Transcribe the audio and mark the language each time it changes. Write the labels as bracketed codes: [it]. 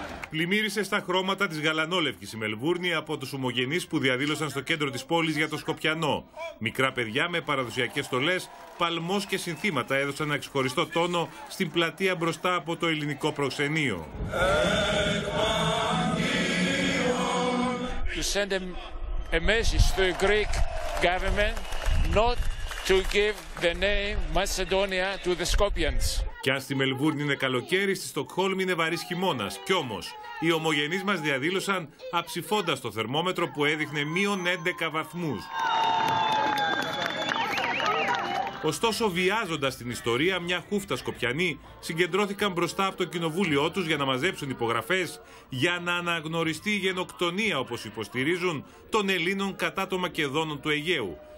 [el] Πλημμύρισε στα χρώματα της γαλανόλευκης η Μελβούρνη από τους ομογενείς που διαδήλωσαν στο κέντρο της πόλης για το Σκοπιανό. Μικρά παιδιά με παραδοσιακές στολές, παλμός και συνθήματα έδωσαν ένα ξεχωριστό τόνο στην πλατεία μπροστά από το ελληνικό προξενείο. [en] To send a message to the Greek government not to give the name Macedonia to the Scorpions. [el] Κι αν στη Μελβούρνη είναι καλοκαίρι, στη Στοκχόλμη είναι βαρύς χειμώνας. Κι όμως, οι ομογενείς μας διαδήλωσαν αψηφώντας το θερμόμετρο που έδειχνε μείον 11 βαθμούς. Ωστόσο, βιάζοντας την ιστορία, μια χούφτα Σκοπιανοί συγκεντρώθηκαν μπροστά από το κοινοβούλιο τους για να μαζέψουν υπογραφές για να αναγνωριστεί η γενοκτονία, όπως υποστηρίζουν, των Ελλήνων κατά των Μακεδόνων του Αιγαίου.